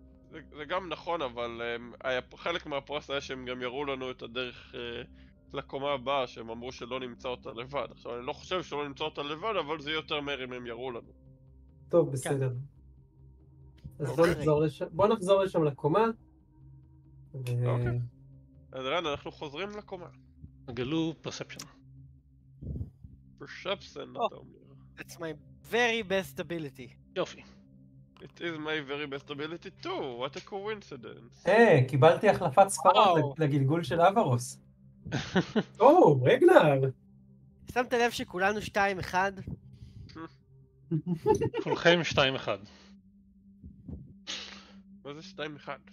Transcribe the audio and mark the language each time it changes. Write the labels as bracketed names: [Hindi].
[Hebrew] זה גם נכון, אבל חלק מהפרס היה שהם גם יראו לנו את הדרך לקומה הבאה, שהם אמרו שלא נמצא אותה לבד. עכשיו, אני לא חושב שלא נמצא אותה לבד, אבל זה יותר מהר אם הם יראו לנו. טוב, בסדר. אז בוא נחזור לשם לקומה. אוקיי. אדרן, אנחנו חוזרים לקומה. גלו פרספשן. פרספשן, אתה אומר. [English] It's my very best ability. [Hebrew] יופי. [English] It is my very best ability too, what a coincidence. [Hebrew] היי, קיבלתי החלפת ספרות לגלגול של אברוס. או, רגנר! שמת לב שכולנו 2-1? כולכם 2-1. מה זה 2-1?